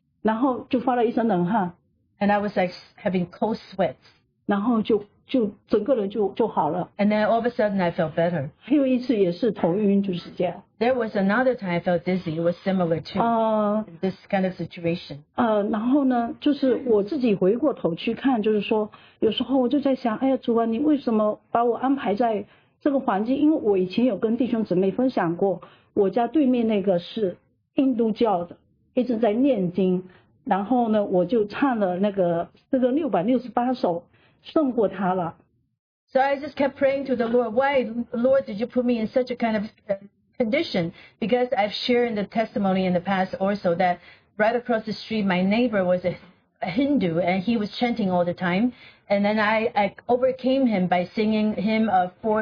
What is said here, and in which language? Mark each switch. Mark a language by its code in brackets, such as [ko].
[zh] 然后就发了一身冷汗。 [en] And I was like having cold sweats. [zh] 然后就整个人就好了。 [en] And then all of a sudden I felt better. [zh] 还有一次也是头晕，就是这样。 [en] There was another time I felt dizzy. It was similar to this kind of situation. [zh] 然后呢，就是我自己回过头去看，就是说，有时候我就在想，哎呀，主啊，你为什么把我安排在这个环境，因为我以前有跟弟兄姊妹分享过，我家对面那个是印度教的，一直在念经，然后呢我就唱了那个诗歌668首胜过他了。 [en] So I just kept praying to the Lord, why Lord did you put me in such a kind of condition? Because I've shared in the testimony in the past also that right across the street my neighbor was a Hindu and he was chanting all the time, and then I overcame him by singing him a